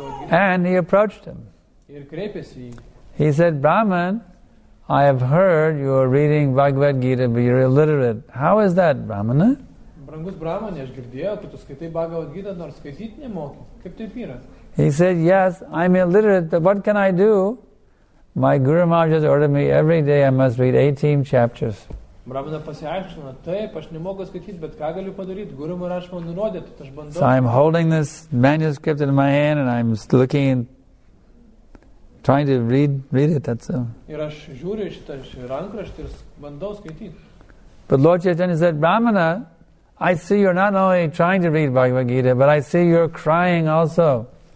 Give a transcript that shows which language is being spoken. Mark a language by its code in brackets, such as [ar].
[en] And he approached him. He said, Brahmin, I have heard you are reading Bhagavad Gita, but you're illiterate. How is that, Brahmana? [lt] Brangus Brahmane, aš girdėjau, kad tu skaitai Bhagavad Gita, nors skaityti nemoki. Kaip taip yra? [en] He said, yes, I'm illiterate, but what can I do? My Guru Maharaj has ordered me every day I must read 18 chapters. [lt] Brahmane pasiaiškino, taip, aš nemoku skaityti, bet ką galiu padaryti? Guru Maharaj man nurodė, tad aš bandau. [en] So I'm holding this manuscript in my hand and I'm looking and trying to read it, that's all. [lt] Ir aš žiūriu šitą rankraštį ir bandau skaityti. [en] But Lord Chaitanya said, Brahmana, I see you're not only trying to read Bhagavad Gita, but I see you're crying also.